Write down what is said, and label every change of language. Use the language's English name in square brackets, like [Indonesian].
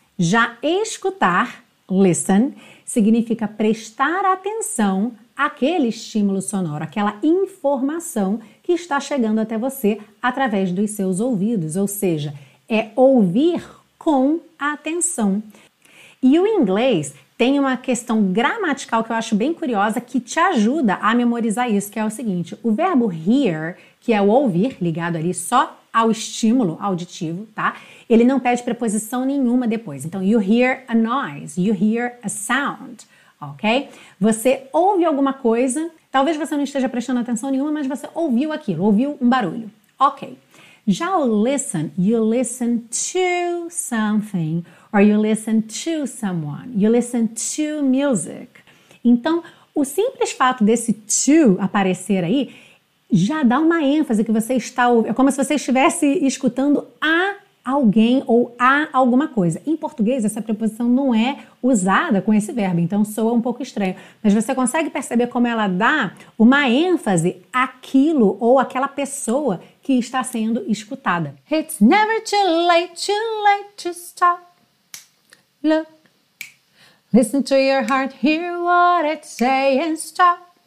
[Portuguese] Já escutar, listen, significa prestar atenção àquele estímulo sonoro, aquela informação que está chegando até você através dos seus ouvidos, ou seja, é ouvir com atenção. E o inglês tem uma questão gramatical que eu acho bem curiosa que te ajuda a memorizar isso, que é o seguinte: o verbo hear, que é o ouvir, ligado ali só ao estímulo auditivo, tá? Ele não pede preposição nenhuma depois. [English] Então, you hear a noise, you hear a sound, ok? [Portuguese] Você ouve alguma coisa, talvez você não esteja prestando atenção nenhuma, mas você ouviu aquilo, ouviu um barulho, ok. [English] Já o listen, you listen to something, or you listen to someone, you listen to music. [Portuguese] Então, o simples fato desse to aparecer aí, já dá uma ênfase que você está ouvindo, é como se você estivesse escutando a alguém ou a alguma coisa. Em português, essa preposição não é usada com esse verbo, então soa um pouco estranho. Mas você consegue perceber como ela dá uma ênfase àquilo ou àquela pessoa que está sendo escutada. [English] It's never too late to stop. Look, listen to your heart, hear what it's saying, stop.